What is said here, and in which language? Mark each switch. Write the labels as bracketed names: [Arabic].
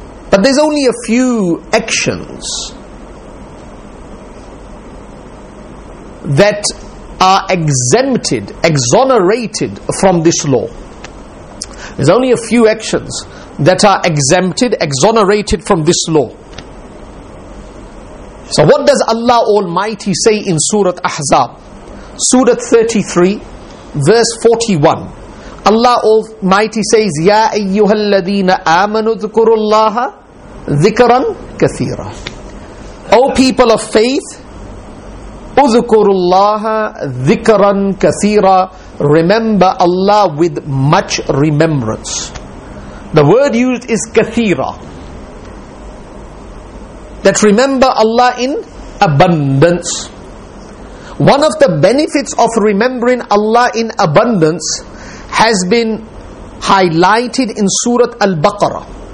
[English] But there's only a few actions that are exonerated from this law. There's only a few actions that are exonerated from this law. So what does Allah Almighty say in Surah Ahzab? Surah 33, verse 41. Allah Almighty says, [Arabic] يَا أَيُّهَا الَّذِينَ آمَنُوا ذُكُرُوا اللَّهَ ذِكْرًا كَثِيرًا. [English] O people of faith, [Arabic] اُذْكُرُوا اللَّهَ ذِكْرًا كَثِيرًا. [English] Remember Allah with much remembrance. The word used is كَثِيرًا. That remember Allah in abundance. One of the benefits of remembering Allah in abundance has been highlighted in Surah Al-Baqarah.